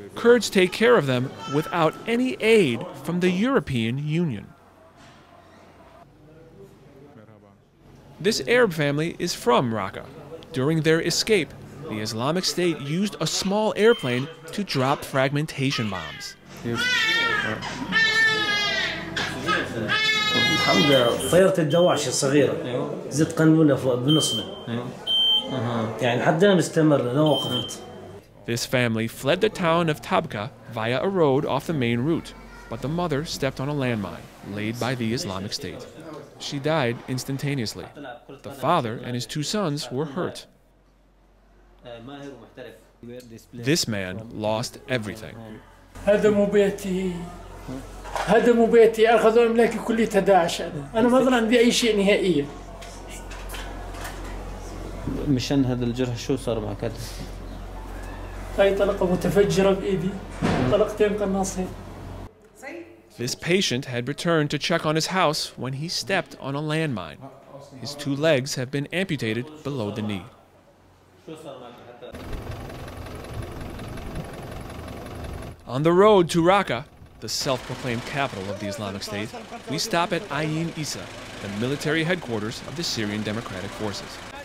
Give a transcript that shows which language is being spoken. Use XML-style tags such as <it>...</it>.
<en>Kurds take care of them without any aid from the European Union. This Arab family is from Raqqa. During their escape, the Islamic State used a small airplane to drop fragmentation bombs.</en> <ar>الحمد لله طيارة الدواعش الصغيرة زدت قنبلة فوق بنصنا. يعني حتى أنا مستمر أنا وقفت.</ar> <en>This family fled the town of Tabqa via a road off the main route, but the mother stepped on a landmine laid by the Islamic State. She died instantaneously. The father and his two sons were hurt. This man lost everything.</en> <ar>هذا مو بيتي هذا مو بيتي اخذوا املاكي كلها داعش انا ما ظن عندي اي شيء نهائيا مشان هذا الجرح شو صار معك هاي طلقه متفجره بايدي طلقتين قناصين</ar> <en>This patient had returned to check on his house when he stepped on a landmine. His two legs have been amputated below the knee. On the road to Raqqa, the self-proclaimed capital of the Islamic State, we stop at Ayin Issa, the military headquarters of the Syrian Democratic Forces.</en>